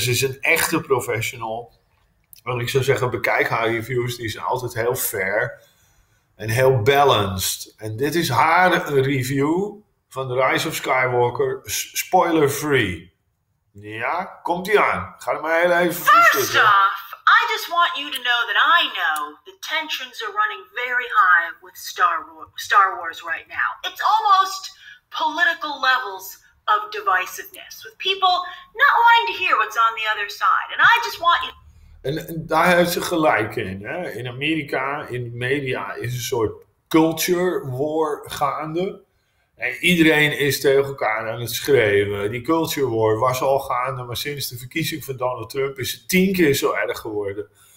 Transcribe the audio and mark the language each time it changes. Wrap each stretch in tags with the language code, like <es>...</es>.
<nl>Ze is een echte professional. En ik zou zeggen, bekijk haar reviews. Die zijn altijd heel fair en heel balanced. En dit is haar review van The Rise of Skywalker, spoiler free. Ja, komt die aan. Ga er maar heel even voor stukken.</nl> <en>First off, I just want you to know that I know the tensions are running very high with Star Wars right now. It's almost political levels of divisiveness. With people not wanting to hear what's on the other side. And I just want you...</en> <nl>En daar heeft ze gelijk in. Hè? In Amerika, in media, is een soort culture war gaande. En iedereen is tegen elkaar aan het schreeuwen. Die culture war was al gaande, maar sinds de verkiezing van Donald Trump is het 10 keer zo erg geworden.</nl>